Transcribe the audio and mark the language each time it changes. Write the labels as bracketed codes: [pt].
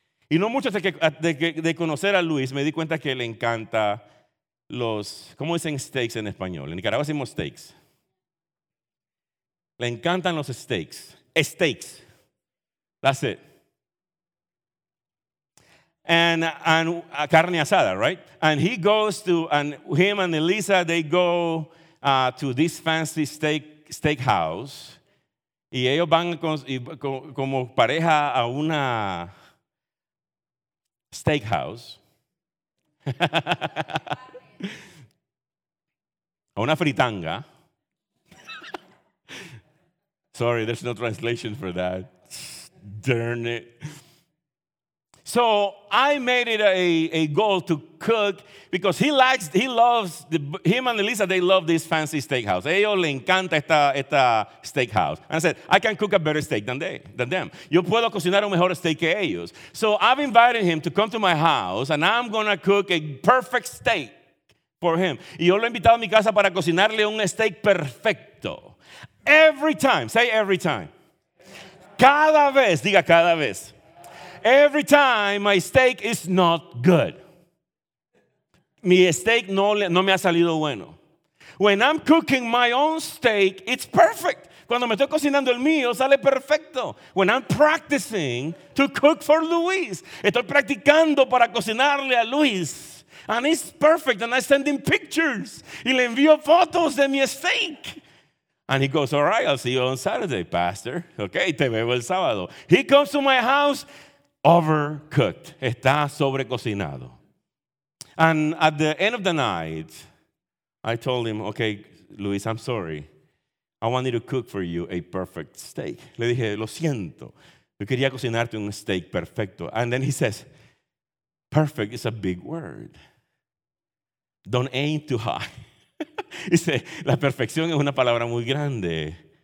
[es] Y no mucho de conocer a Luis, me di cuenta que le encanta los, ¿cómo dicen steaks en español? En Nicaragua decimos steaks. Le encantan los steaks. Steaks. [en] That's it. And carne asada, right? And he goes to, and him and Elisa, they go to this fancy steakhouse. [es] Y ellos van como pareja a una steakhouse. A una fritanga. [en] Sorry, there's no translation for that. Darn it. So I made it a goal to cook because him and Elisa, they love this fancy steakhouse. [es] Ellos le encanta esta steakhouse. [en] And I said, I can cook a better steak than them. [es] Yo puedo cocinar un mejor steak que ellos. [en] So I've invited him to come to my house and I'm going to cook a perfect steak for him. [es] Y yo lo he invitado a mi casa para cocinarle un steak perfecto. [en] Every time, say every time. [es] Cada vez, diga cada vez. [en] Every time my steak is not good. [es] Mi steak no me ha salido bueno. [en] When I'm cooking my own steak, it's perfect. [es] Cuando me estoy cocinando el mío, sale perfecto. [en] When I'm practicing to cook for Luis, [es] estoy practicando para cocinarle a Luis. [en] And it's perfect. And I send him pictures. [es] Y le envío fotos de mi steak. [en] And he goes, all right, I'll see you on Saturday, Pastor. [es] Okay, te veo el sábado. [en] He comes to my house. Overcooked, [es] está sobrecocinado. [en] And at the end of the night, I told him, okay, Luis, I'm sorry. I wanted to cook for you a perfect steak. [es] Le dije, lo siento. Yo quería cocinarte un steak perfecto. [en] And then he says, perfect is a big word. Don't aim too high. [es] Dice, la perfección es una palabra muy grande.